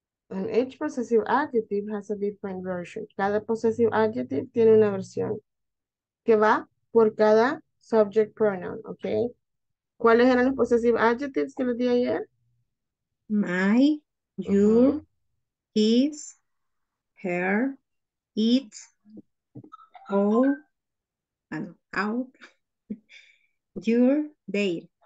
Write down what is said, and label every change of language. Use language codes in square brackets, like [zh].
[en] And each possessive adjective has a different version. [es] Cada possessive adjective tiene una versión que va por cada subject pronoun, okay? ¿Cuáles eran los possessive adjectives que les di ayer? [en] My, your, his, her, it, all, our, your, their.